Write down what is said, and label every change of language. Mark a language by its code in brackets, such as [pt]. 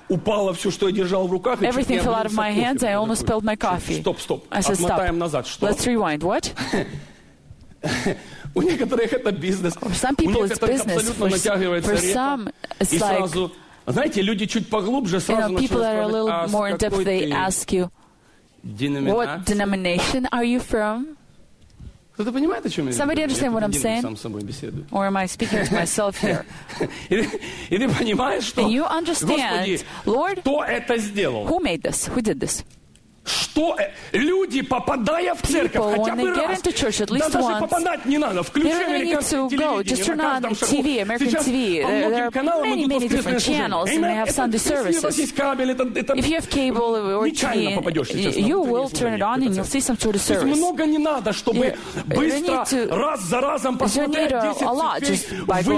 [ru] Упало все, что я держал в руках. [en] Everything fell out of my hands. I almost spilled my coffee. [ru] Стоп. [en] I said, stop. [ru] Отмотаем назад. Что? [en] Let's rewind. What? [ru] У некоторых это бизнес. [en] Some people it's business. For some, it's like. [ru] Знаете, люди чуть поглубже сразу начинают. [en] People that are a little more in depth, they ask you. What denomination are you from? [ru] Кто-то понимает, о чем я? [en] Somebody understand what I'm saying? [ru] Сам с собой беседую. [en] Or am I speaking to myself here? [ru] И ты понимаешь, что? [en] And you understand, Lord? [ru] Кто это сделал? [en] Who made this? Who did this? [ru] Что люди, попадая в церковь, хотя бы раз, [en] church, [ru] да даже попадать не надо, включи американское телевидение, на каждом шагу. Слишком каналы, [en] many different channels, and they have Sunday services. If you have cable or TV, you will turn it on and you'll see some sort of service. [ru] Много не надо, чтобы быстро раз за разом посмотреть 10